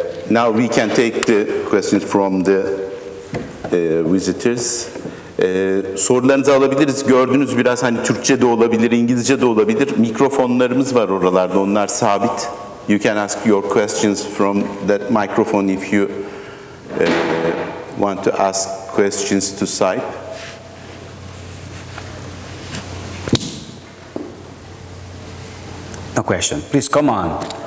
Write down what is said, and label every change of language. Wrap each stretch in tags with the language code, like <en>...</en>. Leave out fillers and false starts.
<en>Now we can take the questions from the visitors.</en> <tr>Sorularınızı alabiliriz. Gördüğünüz biraz hani Türkçe de olabilir, İngilizce de olabilir. Mikrofonlarımız var oralarda. Onlar sabit.</tr> <en>You can ask your questions from that microphone if you want to ask questions to Saype. No question. Please come on.</en>